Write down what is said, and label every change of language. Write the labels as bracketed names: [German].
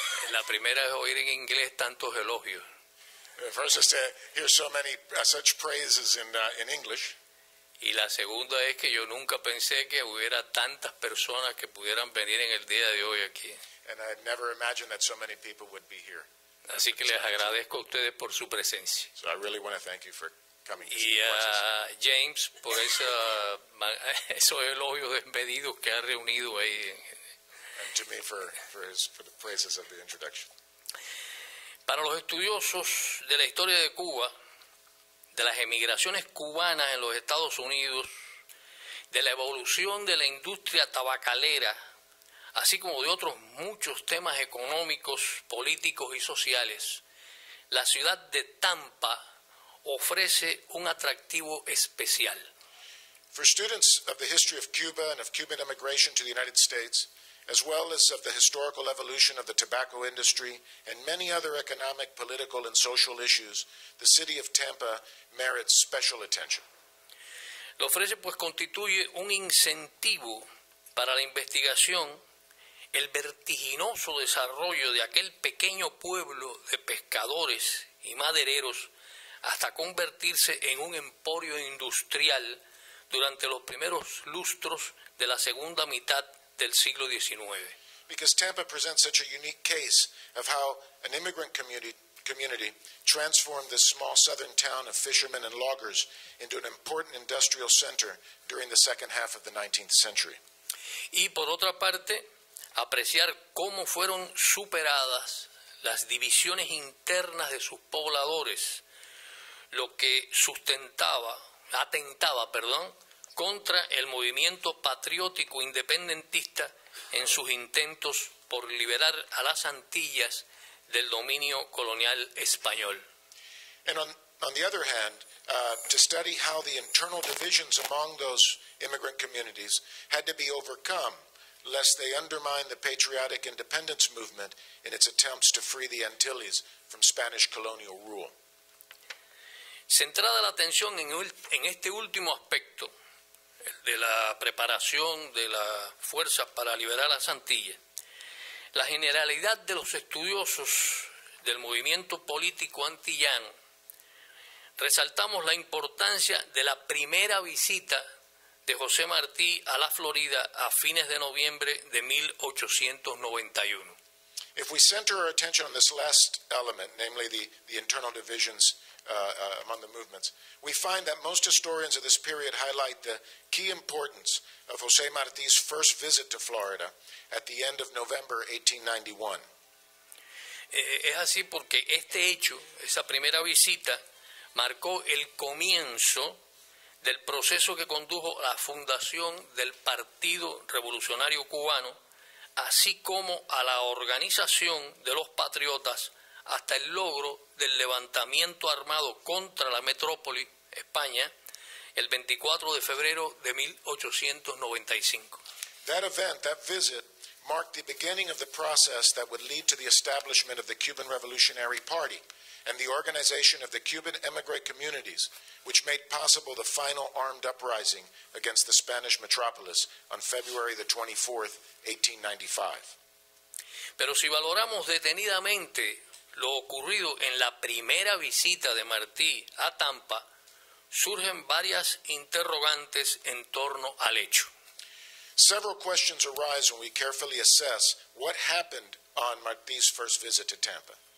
[Spanish] La primera es oír en inglés tantos elogios. [English] First is to hear so many such praises in English. [Spanish] Y la segunda es que yo nunca pensé que hubiera tantas personas que pudieran venir en el día de hoy aquí. [English] And I never imagined that so many people would be here. [Spanish] Así que les agradezco a ustedes por su presencia. [English] So I really want to thank you for coming. [Spanish] Y a James por esos elogios desmedidos que ha reunido ahí. [English] And to me for the praises of the introduction. [Spanish] Para los estudiosos de la historia de Cuba, de las emigraciones cubanas en los Estados Unidos, de la evolución de la industria tabacalera, así como de otros muchos temas económicos, políticos y sociales, la ciudad de Tampa ofrece un atractivo especial. [English] For students of the history of Cuba and of Cuban immigration to the United States, as well as of the historical evolution of the tobacco industry and many other economic, political, and social issues, the city of Tampa merits special attention. [Spanish] Lo ofrece, pues, constituye un incentivo para la investigación, el vertiginoso desarrollo de aquel pequeño pueblo de pescadores y madereros hasta convertirse en un emporio industrial durante los primeros lustros de la segunda mitad del siglo XIX. [English] Because Tampa presents such a unique case of how an immigrant community transformed this small southern town of fishermen and loggers into an important industrial center during the second half of the 19th century. [Spanish] Y por otra parte, apreciar cómo fueron superadas las divisiones internas de sus pobladores, lo que atentaba, contra el movimiento patriótico independentista en sus intentos por liberar a las Antillas del dominio colonial español. [English] And on the other hand, to study how the internal divisions among those immigrant communities had to be overcome lest they undermine the patriotic independence movement in its attempts to free the Antilles from Spanish colonial rule. [Spanish] Centrada la atención en este último aspecto, el de la preparación de las fuerzas para liberar las Antillas, la generalidad de los estudiosos del movimiento político antillano, resaltamos la importancia de la primera visita de José Martí a la Florida a fines de noviembre de 1891. [English] If we center our attention on this last element, namely the internal divisions among the movements, we find that most historians of this period highlight the key importance of José Martí's first visit to Florida at the end of November 1891. [Spanish] Es así porque este hecho, esa primera visita, marcó el comienzo del proceso que condujo a la fundación del Partido Revolucionario Cubano, así como a la organización de los patriotas hasta el logro del levantamiento armado contra la metrópoli, España, el 24 de febrero de 1895. [English] That event, that visit, marked the beginning of the process that would lead to the establishment of the Cuban Revolutionary Party and the organization of the Cuban emigre communities, which made possible the final armed uprising against the Spanish metropolis on February the 24th, 1895. [Spanish] Pero si valoramos detenidamente lo ocurrido en la primera visita de Martí a Tampa, surgen varias interrogantes en torno al hecho. [English] Several questions arise when we carefully assess what happened on Martí's first visit to Tampa.